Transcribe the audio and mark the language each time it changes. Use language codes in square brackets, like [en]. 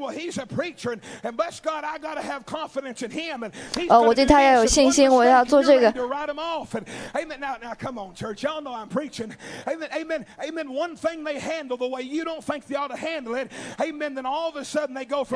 [en] Well, he's a preacher, and bless God, I gotta have confidence in him. And he's gonna [zh] 我对他要有信心，我要做这个。 [en] You write him off. And amen. Now, come on, church. Y'all know I'm preaching. Amen. Amen. Amen. One thing they handle the way you don't think they ought to handle it. Amen. Then all of a sudden they go from.